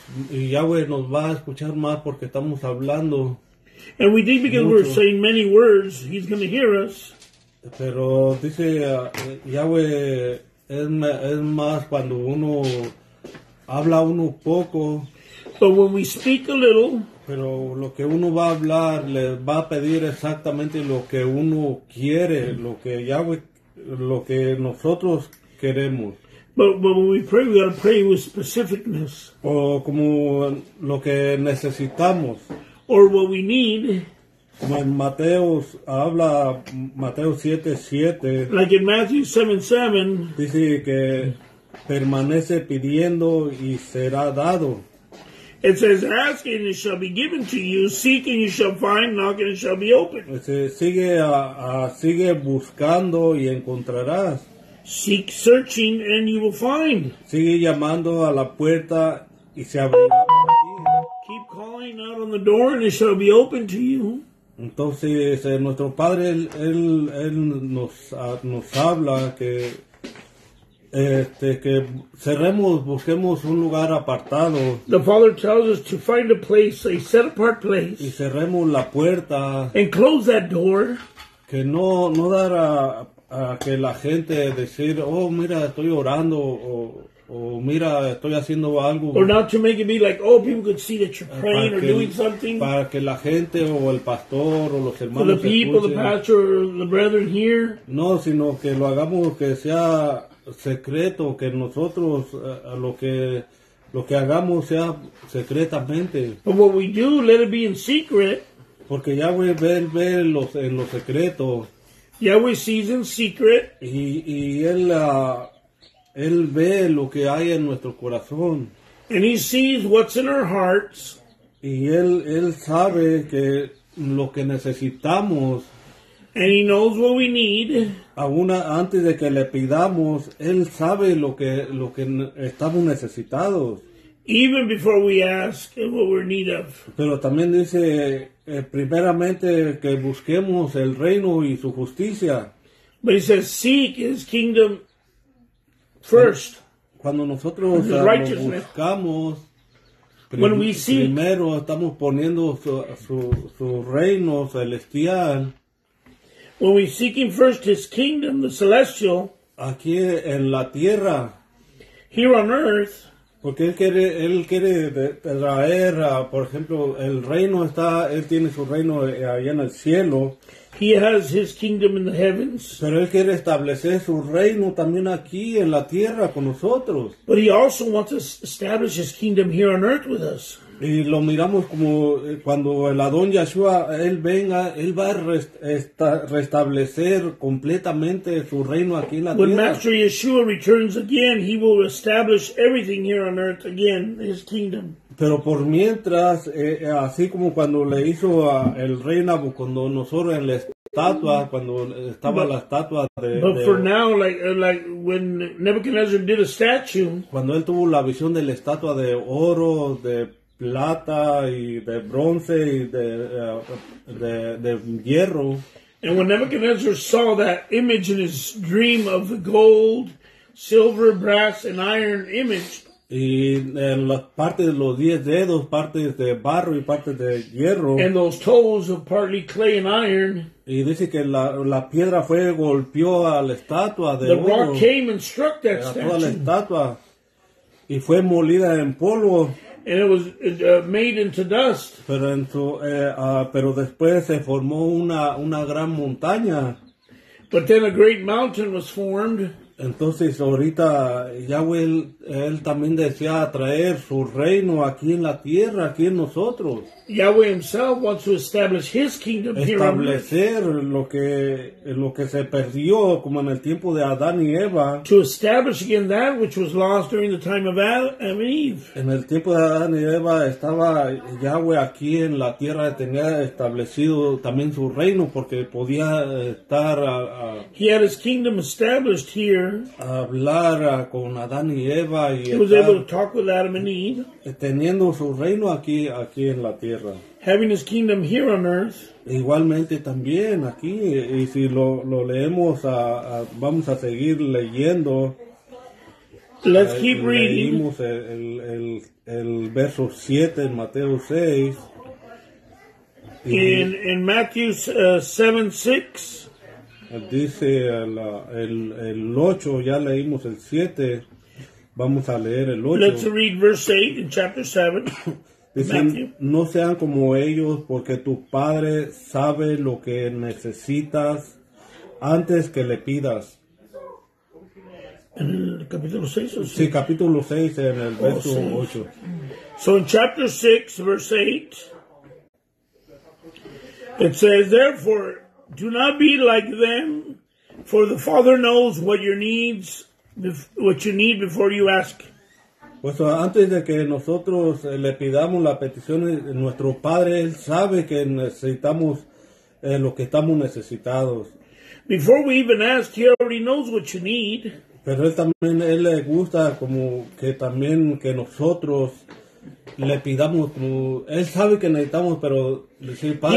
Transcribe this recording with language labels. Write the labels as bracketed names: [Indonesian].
[Spanish] Y Yahweh nos va a escuchar más porque estamos hablando. [English] And we think because [Spanish] mucho. [English] We're saying many words, he's going to hear us. [Spanish] Pero dice Yahweh es más cuando uno habla uno poco. [English] But when we speak a little, [Spanish] pero lo que uno va a hablar le va a pedir exactamente lo que uno quiere, lo que Yahweh, lo que nosotros queremos. [English] But when we pray, we gotta pray with specificness. [Spanish] O como lo que necesitamos. [English] Or what we need. [Spanish] Como en Mateo habla Mateo 7:7. [English] Like in Matthew 7:7. [Spanish] Dice que permanece pidiendo y será dado. [English] It says, ask and it shall be given to you, seek and you shall find, knock and it shall be opened. [Spanish] Dice, sigue buscando y encontrarás. [English] Seek, searching and you will find. [Spanish] Sigue llamando a la puerta y se abrirá. [English] Keep calling out on the door and it shall be opened to you. [Spanish] Entonces, nuestro Padre, él nos habla que... que cerremos, busquemos un lugar apartado. [English] The Father tells us to find a place, a set apart place. [Spanish] Y cerremos la puerta. [English] And close that door. [Spanish] Que no dar a que la gente decir, oh, mira, estoy orando, o mira, estoy haciendo algo. [English] Or not to make it be like, oh, people could see that you're praying or doing something. [Spanish] Para que la gente o el pastor o los hermanos [English] so the people, [Spanish] escuchen. [English] The pastor, or the brethren here. [Spanish] No, sino que lo hagamos que sea... secreto que nosotros lo que Lo que hagamos sea secretamente. [English] But what we do, let it be in secret. [Spanish] Porque Yahweh ve los, en los secretos. [English] Yahweh sees in secret. [Spanish] Y él, él ve lo que hay en nuestro corazón. [English] And he sees what's in our hearts. [Spanish] Y él sabe que lo que necesitamos. [English] And he knows what we need. [Spanish] Aún antes de que le pidamos, él sabe lo que estamos necesitados. [English] Even before we ask what we're in need of. [Spanish] Pero también dice, primeramente que busquemos el reino y su justicia. [English] But he says, seek his kingdom first. [Spanish] Cuando nosotros lo buscamos, primero estamos poniendo su reino celestial. [English] When we seek him first, his kingdom, the celestial. [Spanish] Aquí en la tierra. [English] Here on earth. [Spanish] Porque él quiere traer, por ejemplo, el reino está, él tiene su reino allá en el cielo. [English] He has his kingdom in the heavens. [Spanish] Pero él quiere establecer su reino también aquí en la tierra con nosotros. [English] But he also wants to establish his kingdom here on earth with us. [Spanish] Y lo miramos como cuando el Adón Yahshua, él venga, él va a restablecer completamente su reino aquí en la tierra. [English] When Master Yeshua returns again, he will establish everything here on earth again, his kingdom. [Spanish] Pero por mientras, así como cuando le hizo el rey Nabucodonosor en la estatua, cuando estaba la estatua de... [English] But for now, like when Nebuchadnezzar did a statue... [Spanish] Cuando él tuvo la visión de la estatua de oro, de plata y de bronce y de hierro. [English] And when Nebuchadnezzar saw that image in his dream of the gold, silver, brass, and iron image. [Spanish] Y en las partes de los 10 dedos, partes de barro y partes de hierro. [English] And those toes of partly clay and iron. [Spanish] Y dice que la piedra fue golpeó a la estatua de oro. [English] The rock came and struck that statue. [Spanish] A toda la estatua. Y fue molida en polvo. [English] And it was made into dust. [Spanish] Pero después se formó una gran montaña. [English] But then a great mountain was formed. [Spanish] Entonces ahorita Yahweh, él también desea traer su reino aquí en la tierra, aquí en nosotros. [English] Yahweh himself wants to establish his kingdom here. [Spanish] Establecer lo que se perdió como en el tiempo de Adán y Eva. [English] To establish again that which was lost during the time of Adam and Eve. [Spanish] En el tiempo de Adán y Eva estaba Yahweh aquí en la tierra, tenía establecido también su reino porque podía estar [English] He had his kingdom established here. [Spanish] Hablar con Adán y Eva y [English] He was able to talk with Adam and Eve. [Spanish] Teniendo su reino aquí en la tierra. [English] Having his kingdom here on earth. [Spanish] Igualmente también aquí. Y si lo leemos, vamos a seguir leyendo. [English] Let's keep reading. [Spanish] Leímos el verso 7 en Mateo 6. [English] In Matthew 7:6. [Spanish] Dice el 8, ya leímos el 7. Vamos a leer el 8. [English] Let's read verse 8 in chapter 7. [Spanish] Dicen, no sean como ellos, porque tu padre sabe lo que necesitas antes que le pidas. ¿En el capítulo 6 o 6? Sí, capítulo 6 en el verso 8. [English] So in chapter 6, verse 8, it says, therefore, do not be like them, for the Father knows what your needs are. What you need before you ask. [Spanish] Pues antes de que nosotros le pidamos la petición, nuestro Padre, él sabe que necesitamos lo que estamos necesitados. [English] Before we even ask, he already knows what you need. [Spanish] Pero él también le gusta como que también que nosotros le pidamos como él sabe que necesitamos, pero decir, Padre,